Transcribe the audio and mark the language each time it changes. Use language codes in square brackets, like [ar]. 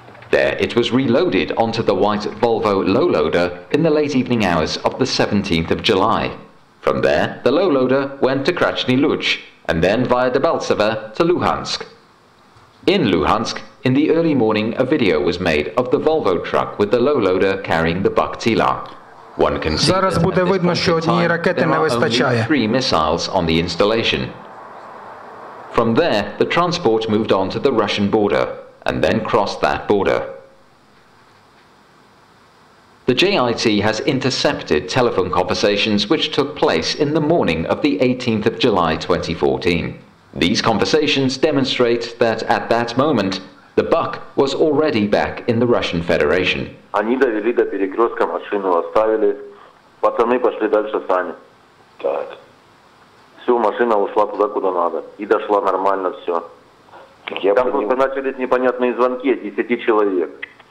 [en] There it was reloaded onto the white Volvo lowloader in the late evening hours of the 17th of July. From there, the lowloader went to Krasny Luch and then via Debaltseve to Luhansk. In Luhansk, in the early morning, a video was made of the Volvo truck with the lowloader carrying the Bakhtila. One can see [uk] зараз буде видно, що однієї ракети не вистачає. [en] Three missiles on the installation. From there, the transport moved on to the Russian border, and then crossed that border. The JIT has intercepted telephone conversations which took place in the morning of the 18th of July 2014. These conversations demonstrate that at that moment, the Buck was already back in the Russian Federation. [ru] Они довели до перекрестка, машину оставили, пацаны пошли дальше сами. Так. Все, машина ушла туда, куда надо. И дошла нормально все. Там просто начались непонятные звонки от 10 человек.